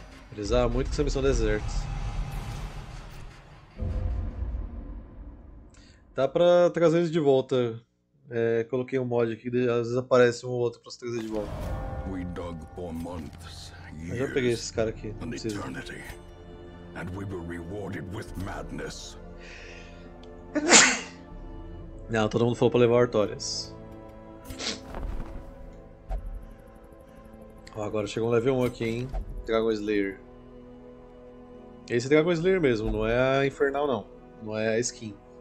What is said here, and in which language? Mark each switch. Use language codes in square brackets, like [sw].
[pt] Precisava muito que essa missão deserta. Dá pra trazer eles de volta. É, coloquei um mod aqui, às vezes aparece um ou outro pra você trazer de volta. [en] Months, years, [pt] eu já peguei esses caras aqui. [en] An eternity, and we were rewarded with madness. [pt] Não, todo mundo falou pra levar o Artorias. Ó, agora chegou um level 1 aqui, hein? Dragon Slayer. Esse é Dragon Slayer mesmo, não é a Infernal não. Não é a skin.